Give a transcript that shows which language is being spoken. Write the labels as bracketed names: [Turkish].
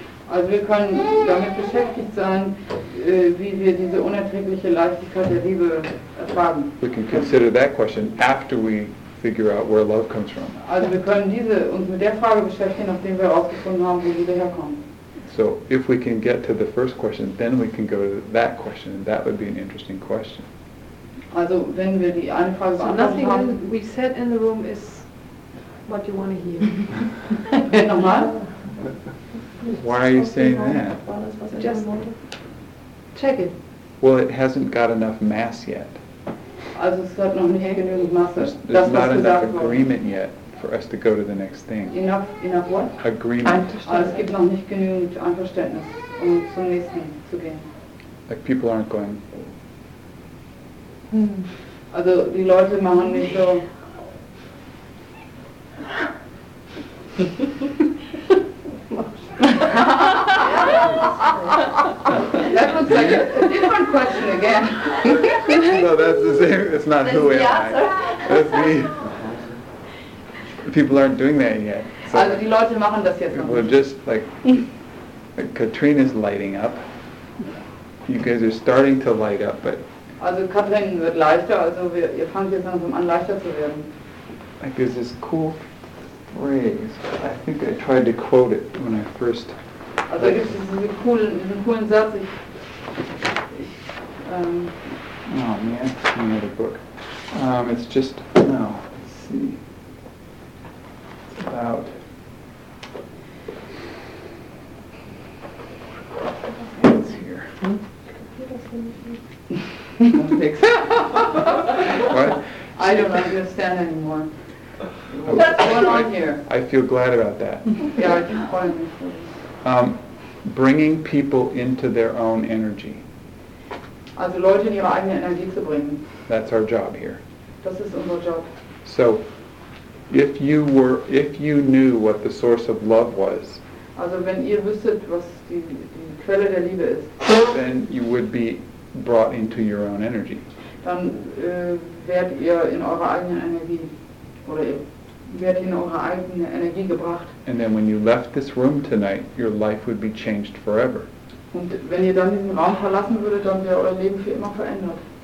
[German] Also wir können damit beschäftigt sein, wie wir diese unerträgliche Leichtigkeit der Liebe erfahren. [English] We can consider that question after we figure out where love comes from. [German] Also wir können diese uns mit der Frage beschäftigen, nachdem wir herausgefunden haben, wo Liebe herkommt. [English] So if we can get to the first question, then we can go to that question, and that would be an interesting question. [German] Also, wenn wir die eine Frage [English] so nothing [German] haben, [English] we said in the room is what you want to hear. [German] Nochmal? [English] Why are you saying that? Just check it. Well, it hasn't got enough mass yet. [German] Also, es hat noch nicht genügend Masse. [English] There's not enough agreement yet for us to go to the next thing. Enough what? Agreement. [German] Also, es gibt noch nicht genügend Einverständnis, um zum nächsten zu gehen. [English] Like people aren't going. [German] Also die Leute machen nicht so. [English] That looks like a different question again. No, that's the same. It's not this who am answer. I. That's me. People aren't doing that yet. So [German] also die Leute machen das jetzt noch nicht. [English] We're just like Katrina's lighting up. You guys are starting to light up, but. [German] Also Katrin wird leichter, also ihr fangt jetzt langsam an, leichter zu werden. [English] Like there's this cool phrase, I think I tried to quote it when I first... [German] Also da gibt es diesen coolen Satz, ich... [English] Oh man, it's another book. It's just, no, let's see. It's about... What's here? What? I don't understand anymore. What's going on here? I feel glad about that. Yeah, I can find it. bringing people into their own energy. [German] Also Leute in ihre eigene Energie zu bringen. [English] That's our job here. [German] Das ist unser Job. [English] So, if you knew what the source of love was, [German] also wenn ihr wüsstet, was die Quelle der Liebe ist, [English] then you would be brought into your own energy. [German] Dann werdet ihr in eure eigene Energie oder werdet in eure eigene Energie gebracht. [English] And then when you left this room tonight, your life would be changed forever. [German] Und wenn ihr dann diesen Raum verlassen würdet, dann wäre euer Leben für immer verändert.